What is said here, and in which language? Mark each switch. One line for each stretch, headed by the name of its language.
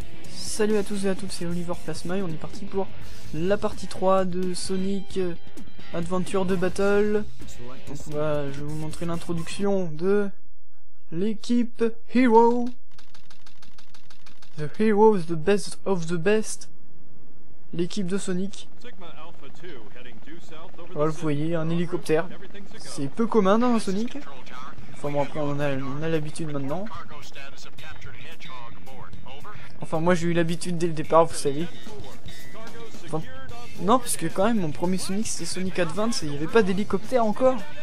French: Salut à tous et à toutes, c'est Oliver Plasma et on est parti pour la partie 3 de Sonic Adventure 2 Battle. Donc voilà, je vais vous montrer l'introduction de l'équipe Hero.
English: The Hero is the best of the best.
French: L'équipe de Sonic. Voilà, vous voyez, un hélicoptère. C'est peu commun dans Sonic. Enfin bon, après on a l'habitude maintenant. Enfin, moi j'ai eu l'habitude dès le départ, vous savez. Enfin, non, parce que quand même, mon premier Sonic c'était Sonic Advance et il n'y avait pas d'hélicoptère encore.